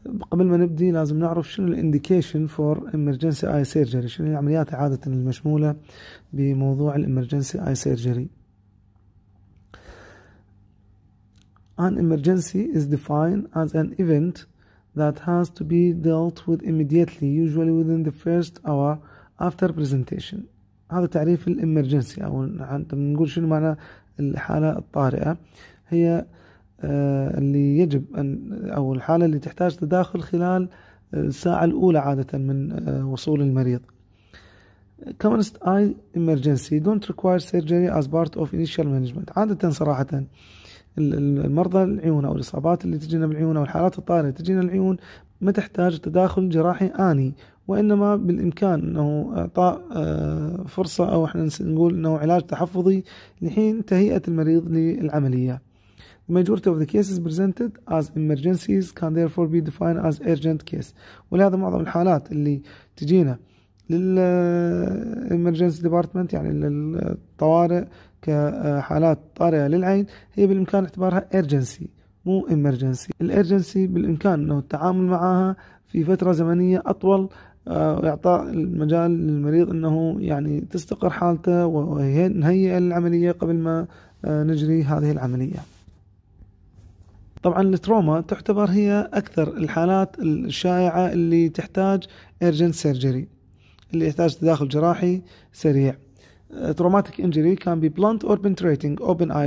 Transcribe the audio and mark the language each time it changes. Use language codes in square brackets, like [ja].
[ar] قبل ما نبدي لازم نعرف شنو الانديكيشن فور امرجنسي اي سيرجري، شنو العمليات عادة المشمولة بموضوع الامرجنسي اي سيرجري. [en] An emergency is defined as an event that has to be dealt with immediately, usually within the first hour after presentation. [ar] هذا تعريف الامرجنسي، او نقول شنو معنى الحالة الطارئة. هي اللي يجب أن أو الحالة اللي تحتاج تداخل خلال الساعة الأولى عادة من وصول المريض. [en] Commonest eye emergency don't require surgery as part of initial management. [ar] عادة صراحة المرضى العيون أو الإصابات اللي تجينا بالعيون أو الحالات الطارئة تجينا العيون ما تحتاج تداخل جراحي آني، وإنما بالإمكان أنه إعطاء فرصة أو إحنا نقول أنه علاج تحفظي لحين تهيئة المريض للعملية. [en] The majority of the cases presented as emergencies can therefore be defined as urgent case. [ar] ولهذا معظم الحالات اللي تجينا لل emergency department يعني للطوارئ كحالات طارئة للعين هي بالإمكان اعتبارها urgency مو emergency. الأرجنسي بالإمكان أنه التعامل معها في فترة زمنية أطول، إعطاء المجال للمريض أنه يعني تستقر حالته ونهيئ العملية قبل ما نجري هذه العملية. طبعا التروما تعتبر هي أكثر الحالات الشائعة اللي تحتاج urgent surgery، اللي يحتاج تداخل جراحي سريع. [en] Traumatic injury can be blunt or penetrating open eye.